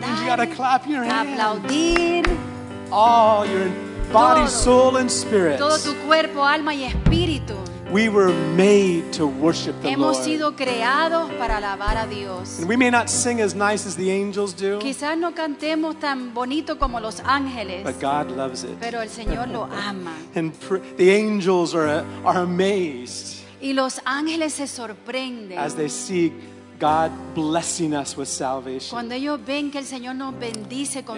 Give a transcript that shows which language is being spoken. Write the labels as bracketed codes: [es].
[en] That means you got to clap your hands. [es] Aplaudir. [en] All your body, todo, soul, and spirit. [es] Todo tu cuerpo, alma y espíritu. [en] We were made to worship the [es] hemos [en] Lord. [es] Sido creados para alabar a Dios. [en] And we may not sing as nice as the angels do. [es] Quizás no cantemos tan bonito como los ángeles. [en] But God loves it. [es] Pero el Señor lo ama. [en] And the angels are amazed. [es] Y los ángeles se sorprenden. [en] As they see God blessing us with salvation. [es] Cuando ellos ven que el Señor nos bendice con